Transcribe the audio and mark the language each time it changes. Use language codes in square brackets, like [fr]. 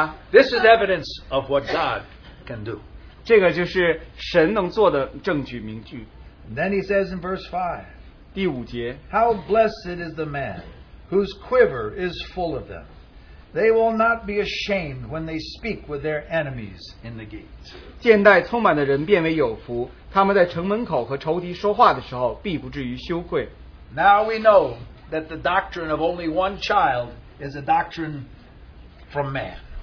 [en] This is evidence of what God can do. [zh] 这个就是神能做的证据, [en] and then he says in verse 5, [zh] 第五节, [en] how blessed is the man whose quiver is full of them. They will not be ashamed when they speak with their enemies in the gates. [zh] 箭袋充满的人便为有福, 他们在城门口和仇敌说话的时候必不至于羞愧。 [en] Now we know that the doctrine of only one child is a doctrine from man.